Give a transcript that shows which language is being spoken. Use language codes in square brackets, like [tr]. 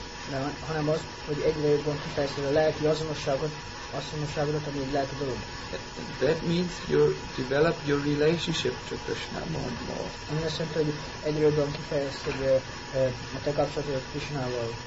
[hu] Nem, hanem az, hogy egyre jobban kifejezted a lelki azonosságot, ami egy lelki dolog. [en] That means you develop your relationship to Krishna more and more. [hu] Ami azt jelenti, hogy egyre jobban kifejezted a te kapcsolatod Krishnával.